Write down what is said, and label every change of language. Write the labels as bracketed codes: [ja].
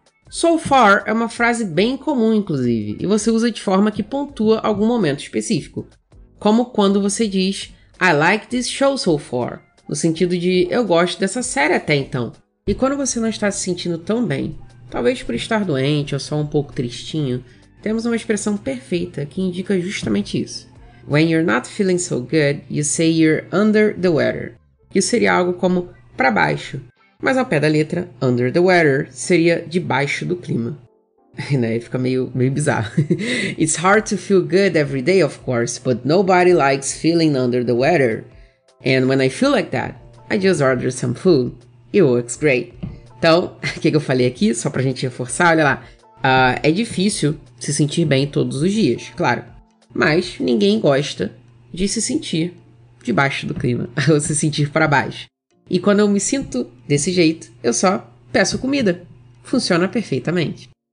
[pt] So far é uma frase bem comum, inclusive, e você usa de forma que pontua algum momento específico, como quando você diz [en] I like this show so far, [pt] no sentido de eu gosto dessa série até então. E quando você não está se sentindo tão bem, talvez por estar doente ou só um pouco tristinho, temos uma expressão perfeita que indica justamente isso. [en] When you're not feeling so good, you say you're under the weather. [pt] Isso seria algo como para baixo, mas ao pé da letra, [en] under the weather, [pt] seria debaixo do clima. E né, fica meio bizarro. [en] It's hard to feel good every day, of course, but nobody likes feeling under the weather. And when I feel like that, I just order some food. It works great. [pt] Então, o que eu falei aqui, só pra gente reforçar, olha lá. É difícil se sentir bem todos os dias, claro. Mas ninguém gosta de se sentir debaixo do clima, ou se sentir para baixo. E quando eu me sinto desse jeito, eu só peço comida. Funciona perfeitamente.